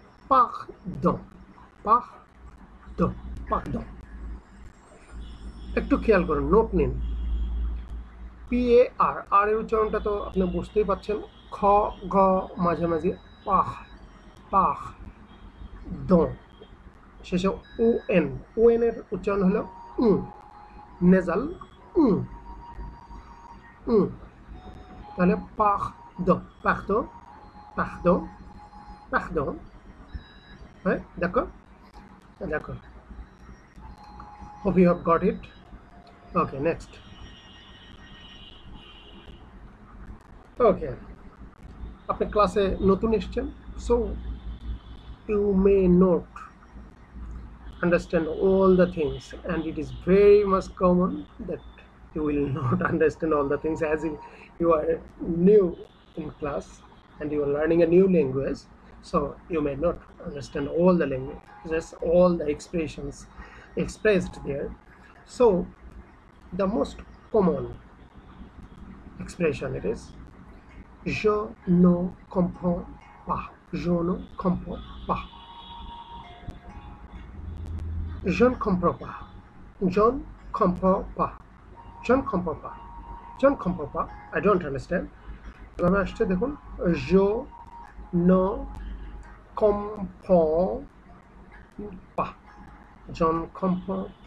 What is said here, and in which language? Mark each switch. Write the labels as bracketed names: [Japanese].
[Bangla] পাখ দ, পাখ দ, পাখ দ, একটু খেয়াল করুন, নোট নিন, পি এ আর, আর এর উচ্চারণটা তো আপনি বুঝতেই পাচ্ছেন, খ গ মাঝামাঝি, পাখ, পাখ দ, শেষে ও এন, ও এন এর উচ্চারণ হলো উ, নেজাল উ, উ, তাহলে পাখ দ, পাখ দ, পাখ দ, পাখ দ, হ্যাঁ দেখো, দেখো, [English] Hope you have got it. Okay, next, okay, [Bangla] আপনি ক্লাসে নতুন এসছেন, [English] So you may not understand all the things, and it is very much common that you will not understand all the things as if you are new in class and you are learning a new language, so you may not understand all the language, just all the expressions expressed there. So the most common expression, it is [French] je ne comprends pas, [English] je ne comprends pas, জন খম্পা, জন খম্পা, জন খম্পা, জন খম্পা, আই ডোন্ট আন্ডারস্ট্যান্ড, [Bangla] এভাবে আসছে, দেখুন, [English] John কম্পা, John খম্পা,